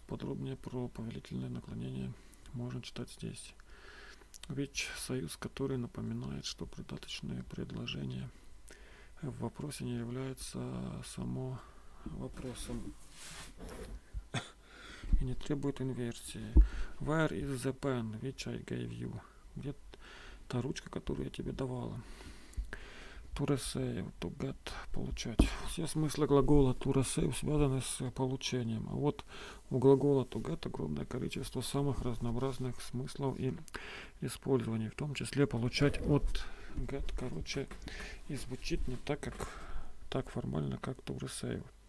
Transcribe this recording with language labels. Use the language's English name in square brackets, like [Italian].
[Russian] Подробнее про повелительное наклонение можно читать здесь. Which – союз, который напоминает, что предаточное предложение в вопросе не является само вопросом и не требует инверсии. [English] Where is the pen which I gave you? [Russian] Где та ручка, которую я тебе давала? To receive, to get, получать. Все смыслы глагола to receive связаны с получением. А вот у глагола to get огромное количество самых разнообразных смыслов и использований, в том числе получать от get, короче, и звучит не так, как так формально, как to receive.